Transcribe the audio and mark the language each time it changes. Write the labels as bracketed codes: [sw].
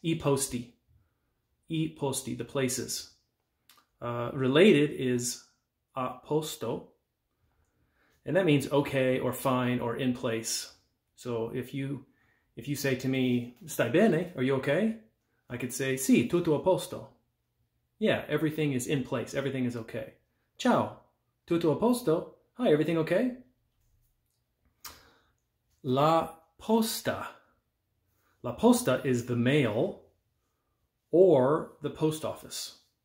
[it] I posti, [en] the places. Related is a posto, and that means okay or fine or in place. So if you say to me, [it] stai bene, [en] are you okay? I could say, [it] sì, tutto a posto. [en] Yeah, everything is in place, everything is okay. [it] Ciao, tutto a posto. [en] Hi, everything okay? [it] La posta. La posta [en] is the mail or the post office.